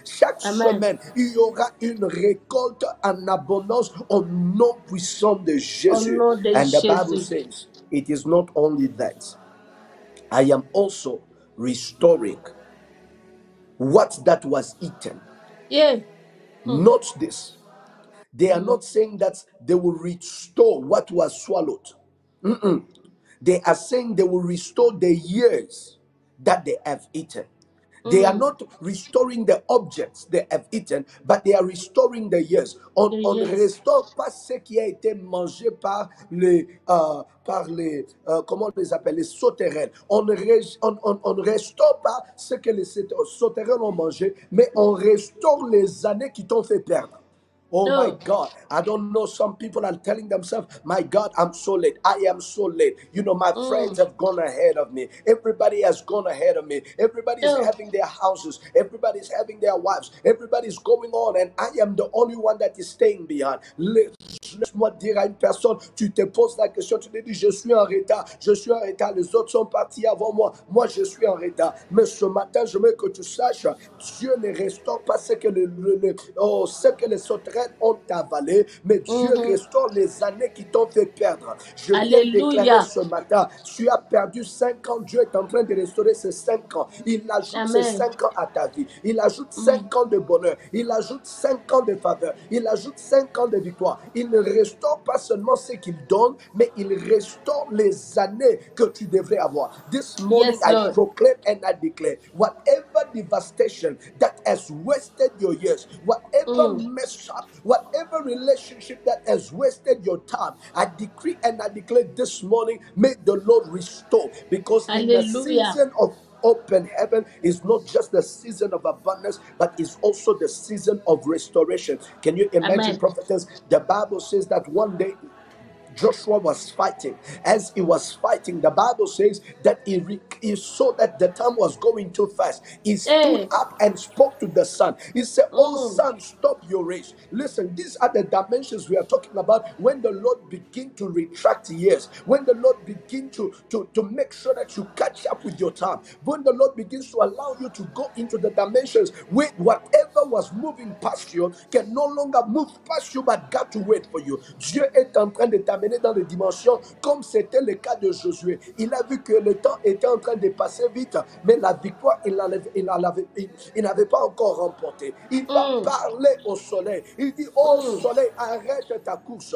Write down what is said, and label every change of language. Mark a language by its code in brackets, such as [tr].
[fr] Chaque [en] Amen. [fr] Semaine, il y aura une récolte en abondance au nom puissant de Jésus. Au nom de [en] And the [fr] Jésus. [en] Bible says, it is not only that. I am also restoring what that was eaten. Yeah. Note this. They are not saying that they will restore what was swallowed. Mm-mm. They are saying they will restore the years that they have eaten. They are not restoring the objects they have eaten, but they are restoring the years. [fr] On ne restaure pas ce qui a été mangé par les sauterelles. On restaure pas ce que les sauterelles ont mangé, mais on restaure les années qui t'ont fait perdre. [en] Oh my God, I don't know, some people are telling themselves, my God, I'm so late, I am so late. You know, my friends have gone ahead of me. Everybody has gone ahead of me. Everybody's having their houses. Everybody's having their wives. Everybody's going on, and I am the only one that is staying behind. [fr] Laisse-moi dire à une personne, tu te poses la question, tu te dis, je suis en retard, les autres sont partis avant moi, moi je suis en retard. Mais ce matin, je veux que tu saches, Dieu ne restaure pas ce que les sauterelles ont avalé, mais Dieu restaure les années qui t'ont fait perdre. Je viens déclarer ce matin, tu as perdu 5 ans, Dieu est en train de restaurer ces 5 ans. Il ajoute ces 5 ans à ta vie, il ajoute 5 ans de bonheur, il ajoute 5 ans de faveur, il ajoute 5 ans de victoire. Il ne restaure pas seulement ce qu'il donne, mais il restaure les années que tu devrais avoir. [en] This morning, yes, I proclaim and I declare, whatever devastation that has wasted your years, whatever mess up, whatever relationship that has wasted your time, I decree and I declare this morning, may the Lord restore. Because in the season of open heaven is not just the season of abundance, but it's also the season of restoration. Can you imagine, prophetess? The Bible says that one day Joshua was fighting. As he was fighting, the Bible says that he saw that the time was going too fast. He stood up and spoke to the sun. He said, oh, sun, stop your race. Listen, these are the dimensions we are talking about when the Lord begin to retract years, when the Lord begin to make sure that you catch up with your time, when the Lord begins to allow you to go into the dimensions where whatever was moving past you can no longer move past you, but got to wait for you. [fr] Dieu est en train de amené dans les dimensions, comme c'était le cas de Josué. Il a vu que le temps était en train de passer vite, mais la victoire, il n'avait pas encore remporté. Il va parler au soleil. Il dit, soleil, arrête ta course.